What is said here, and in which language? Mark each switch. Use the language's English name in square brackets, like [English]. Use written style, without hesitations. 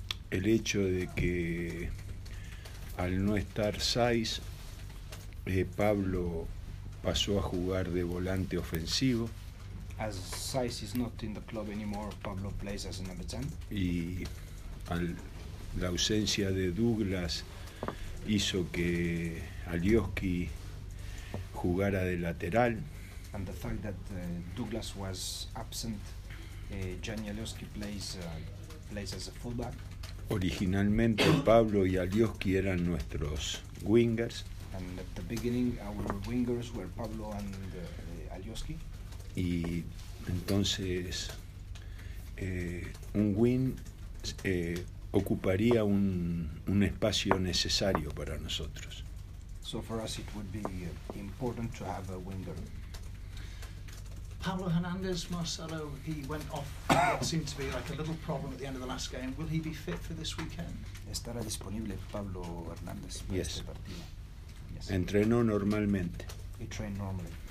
[Spanish] El hecho de que al no estar Saiz, Pablo pasó a jugar de volante ofensivo. [English] As Saiz is not in the club anymore, Pablo plays as a number 10. [Spanish] Y la ausencia de Douglas hizo que Alioski jugara de lateral. [English] And the fact that Douglas was absent, Gianni Alioski plays as a fullback. [Spanish] Originalmente Pablo y Alioski eran nuestros wingers. [English] And at the beginning our wingers were Pablo and Alioski. [Spanish] Y entonces un win ocuparía un espacio necesario para nosotros. [English] So for us it would be important to have a winger. Pablo Hernandez, Marcelo, he went off, seemed to be like a little problem at the end of the last game. Will he be fit for this weekend? [Spanish] ¿Estará disponible Pablo Hernandez para este partido? [English] Yes. [Spanish] Entrenó normalmente. [English] He trained normally.